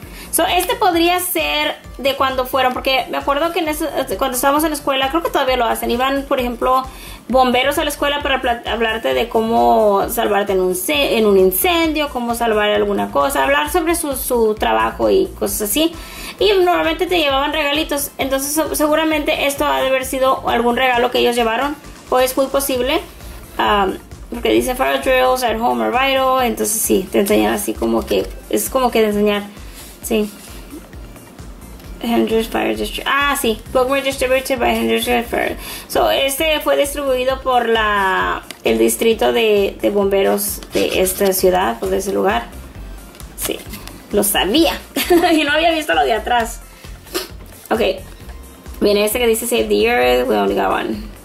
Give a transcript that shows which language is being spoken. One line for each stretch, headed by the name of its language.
Spanish: So, este podría ser de cuando fueron, porque me acuerdo que cuando estábamos en la escuela, creo que todavía lo hacen, iban, por ejemplo, bomberos a la escuela para hablarte de cómo salvarte en un incendio, cómo salvar alguna cosa, hablar sobre su trabajo y cosas así. Y normalmente te llevaban regalitos, entonces seguramente esto ha de haber sido algún regalo que ellos llevaron, o es muy posible. Porque dice
English: fire drills at home are vital.
Spanish: Entonces sí, te enseñan así como que... Es como que de enseñar. Sí. Hendrix Fire District. Ah, sí.
English: Bookmark distributed by Hendrix Fire.
Spanish: So, este fue distribuido por el distrito de bomberos de esta ciudad o de ese lugar. Sí. Lo sabía. Y no había visto lo de atrás. Ok. Viene este que dice
English: Save the Earth. We only got one.